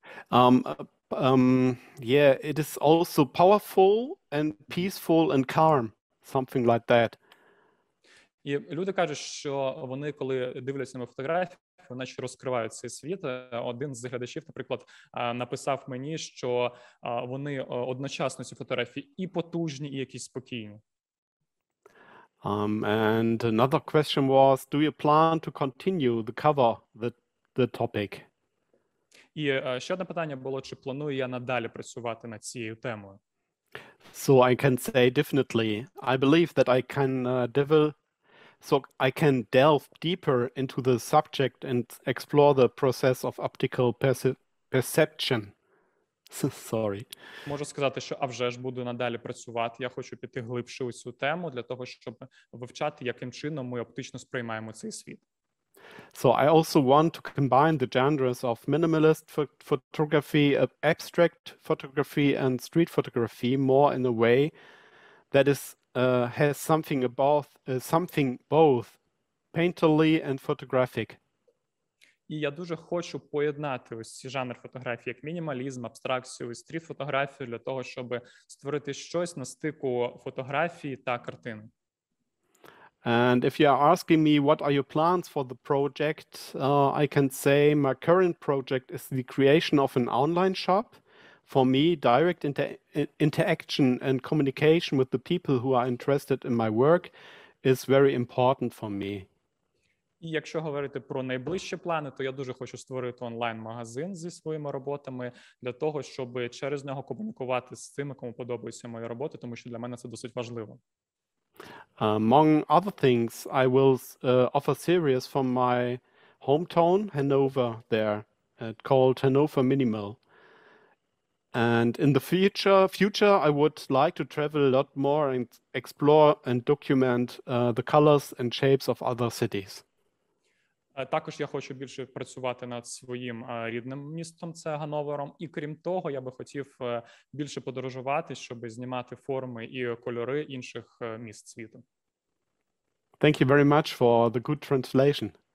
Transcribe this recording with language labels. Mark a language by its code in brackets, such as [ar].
[en] Yeah, it is also powerful and peaceful and calm, something like that. [uk] І люди кажуть, що вони, коли дивляться на фотографії, наче розкривають цей світ. Один з глядачів, наприклад, написав мені, що вони одночасно ці фотографії і потужні, і якісь спокійні. [en] And another question was, do you plan to continue the cover, the topic? [uk] І ще одне питання було, чи планую я надалі працювати над цією темою? [en] So I can say definitely. I believe that I can delve deeper into the subject and explore the process of optical perception. Sorry. [uk] Можу сказати, що а вже ж буду надалі працювати. Я хочу піти глибше у цю тему для того, щоб вивчати, яким чином ми оптично сприймаємо цей світ. [en] So I also want to combine the genres of minimalist photography, abstract photography and street photography more in a way that is has something both painterly and photographic. [uk] І я дуже хочу поєднати ось ці жанри фотографії, як мінімалізм, абстракцію, і стріт-фотографію для того, щоб створити щось на стику фотографії та картини. [en] And if you are asking me what are your plans for the project, I can say my current project is the creation of an online shop. For me, direct interaction and communication with the people who are interested in my work is very important for me. [uk] І якщо говорити про найближчі плани, то я дуже хочу створити онлайн-магазин зі своїми роботами для того, щоб через нього комунікувати з тими, кому подобаються мої роботи, тому що для мене це досить важливо. [en] Among other things, I will offer series from my hometown, Hanover, there, called Hanover Minimal. And in the future, I would like to travel a lot more and explore and document the colors and shapes of other cities. [uk] Також я хочу більше працювати над своїм рідним містом, це Гановером. І крім того, я би хотів більше подорожувати, щоб знімати форми і кольори інших міст світу. [en] Thank you very much for the good translation.